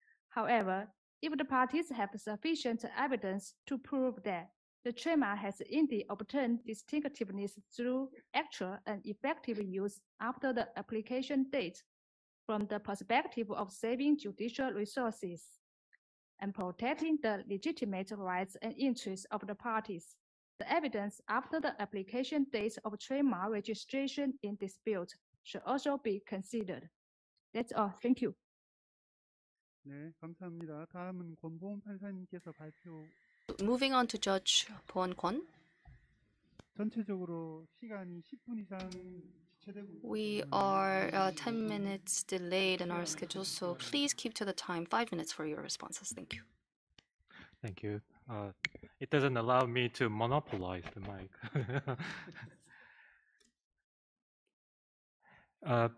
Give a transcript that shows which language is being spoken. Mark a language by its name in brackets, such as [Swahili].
[English] However, if the parties have sufficient evidence to prove that the trademark has indeed obtained distinctiveness through actual and effective use after the application date, from the perspective of saving judicial resources and protecting the legitimate rights and interests of the parties, the evidence after the application date of trademark registration in dispute should also be considered. That's all. Thank you. [Korean] 네, 감사합니다. 다음은 권보훈 판사님께서 발표. [English] Moving on to Judge Bo-won Kwon. [Korean] 전체적으로 시간이 10분 이상 [English] We are 10 minutes delayed in our schedule, so please keep to the time, 5 minutes for your responses. Thank you. Thank you. It doesn't allow me to monopolize the mic.